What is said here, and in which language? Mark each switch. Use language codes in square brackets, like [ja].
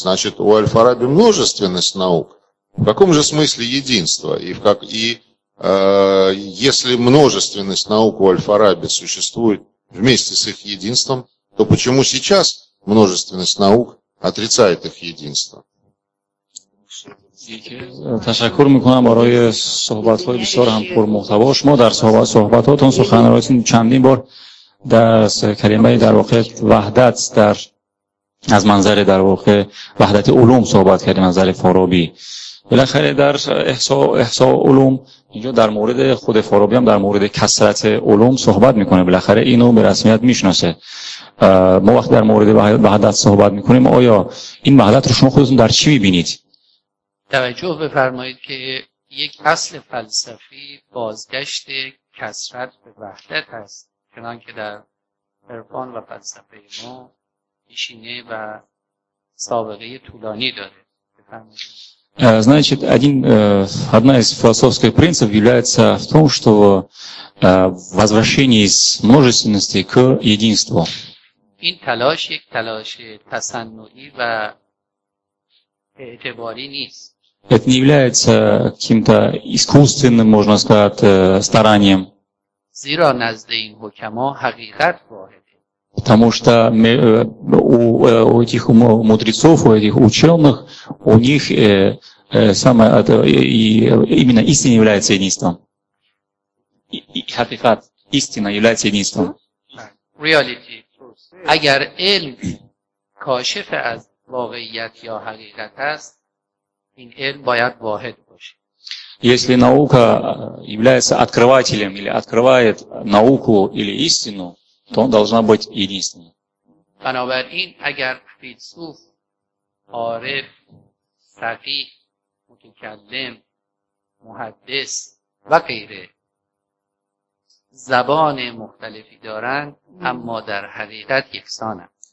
[ru] Значит, у Аль-Фараби множественность наук. В каком же смысле единство? Если множественность наук у Аль-Фараби существует вместе с их единством, то почему сейчас множественность наук отрицает их единство? [fa] تشکر میکنم برای صحبت‌های بسیار همپر محتوا شما در صحبت صحبتاتون سخنرانی چندین بار در کلمه در واقع وحدت در از منظر در واقع وحدت علوم صحبت کردیم از منظر فارابی. بالاخره در احصاء علوم اینجا در مورد خود فارابی هم در مورد کثرت علوم صحبت میکنه، بالاخره اینو به رسمیت میشناسه. ما وقتی در مورد وحدت صحبت میکنیم آیا این وحدت رو شما خودتون در چی میبینید؟ توجه بفرمایید که یک اصل فلسفی بازگشت کثرت به وحدت است، چنان که در عرفان و فلسفه ما پیشینه و سابقه طولانی داره. [ru] Значит, одна из философских принципов является в том, что возвращение из множественности к единству. [fa] این تلاش یک تلاش تصنعی و اعتباری نیست. [ru] Это не является каким-то искусственным, можно сказать, старанием. [fa] زیرا نزد این حکما حقیقت واحده. [ru] Потому что у этих мудрецов, у этих ученых, у них самое это именно истина является единством. Хакикат, истина является единством. [en] Reality. [fa] اگر علم کاشف از واقعیت یا حقیقت است، این علم باید واحد باشه. [ru] Если наука является открывателем или открывает науку или истину, то он должна быть единственным. [fa] بنابراین اگر فیلسوف، عارف، فقیه، متکلم، محدث و غیره زبان مختلفی دارن اما در حقیقت یکسان هم